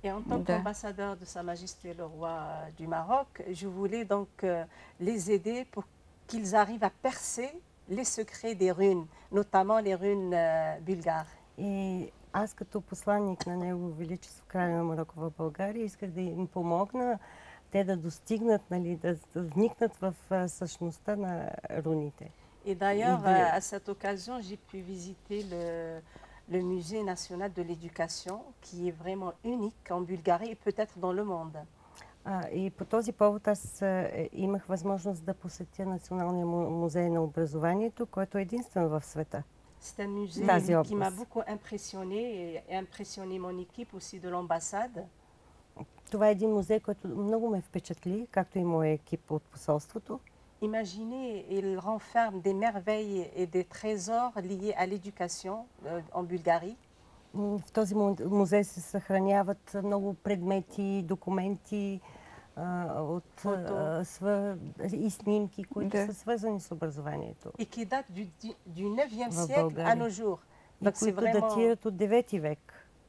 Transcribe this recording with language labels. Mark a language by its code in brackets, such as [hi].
[fr] Et en tant qu'ambassadeur de Sa Majesté le Roi du Maroc, je voulais donc les aider pour qu'ils arrivent à percer les secrets des runes, notamment les runes bulgares. [bg] И аз като посланник на Негово Величество Краля на Марокко в България исках да им помогна те да достигнат, нали, да вникнат в същността на руните. И [fr] d'ailleurs, à cette occasion, j'ai pu visiter le Musée national de l'éducation, qui est vraiment unique en Bulgarie et peut-être dans le monde. [bg] И по този повод аз имах възможност да посетя Националния музей на образованието, който е единствен в света. [fr] C'est un musée qui m'a beaucoup impressionné et impressionné mon équipe aussi de l'ambassade. [bg] Това е един музей, който много ме впечатли, както и моя екип от посолството. [fr] Imaginez, il renferme des merveilles et des trésors liés à l'éducation en Bulgarie. [bg] В този музей се съхраняват много предмети, документи от и снимки, които са свързани с образованието. И [fr] qui date du 9e siècle à nos jours. Donc c'est vraiment [bg] датират от 9-ти век.